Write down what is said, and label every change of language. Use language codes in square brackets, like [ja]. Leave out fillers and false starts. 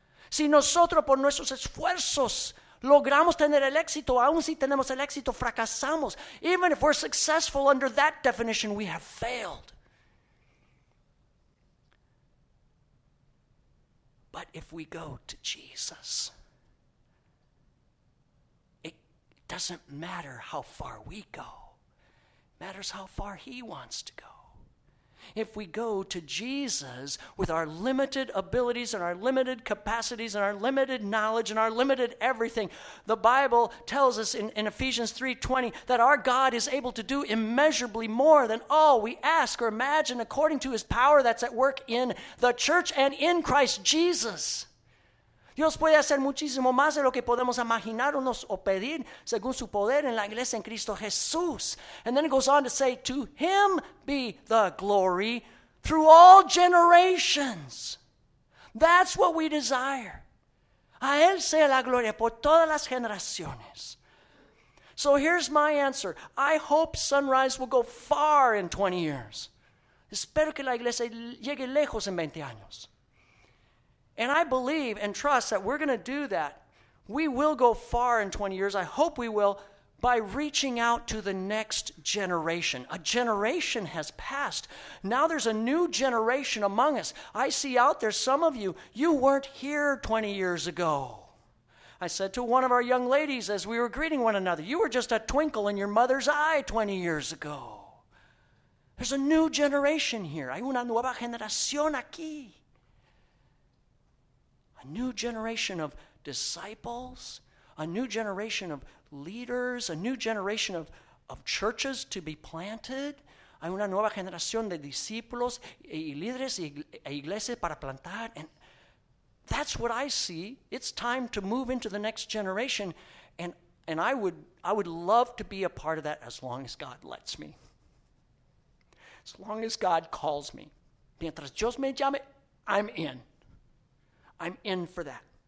[es] Si nosotros por nuestros esfuerzos logramos tener el éxito, aun si tenemos el éxito, fracasamos. [en] Even if we're successful under that definition, we have failed. But if we go to Jesus, it doesn't matter how far we go. It matters how far he wants to go. If we go to Jesus with our limited abilities and our limited capacities and our limited knowledge and our limited everything, the Bible tells us in Ephesians 3:20 that our God is able to do immeasurably more than all we ask or imagine according to his power that's at work in the church and in Christ Jesus. [es] Dios puede hacer muchísimo más de lo que podemos imaginarnos o pedir según su poder en la iglesia en Cristo Jesús. [en] And then it goes on to say, to him be the glory through all generations. That's what we desire. [es] A él sea la gloria por todas las generaciones. [en] So here's my answer. I hope Sunrise will go far in 20 years. [es] Espero que la iglesia llegue lejos en 20 años. [en] And I believe and trust that we're going to do that. We will go far in 20 years. I hope we will, by reaching out to the next generation. A generation has passed. Now there's a new generation among us. I see out there some of you, you weren't here 20 years ago. I said to one of our young ladies as we were greeting one another, you were just a twinkle in your mother's eye 20 years ago. There's a new generation here. [es] Hay una nueva generación aquí. [en] A new generation of disciples, a new generation of leaders, a new generation of churches to be planted. [es] Hay una nueva generación de discípulos y líderes e iglesias para plantar. [en] And that's what I see. It's time to move into the next generation. And I would love to be a part of that as long as God lets me. As long as God calls me. [es] Mientras Dios me llame, [en] I'm in. I'm in for that.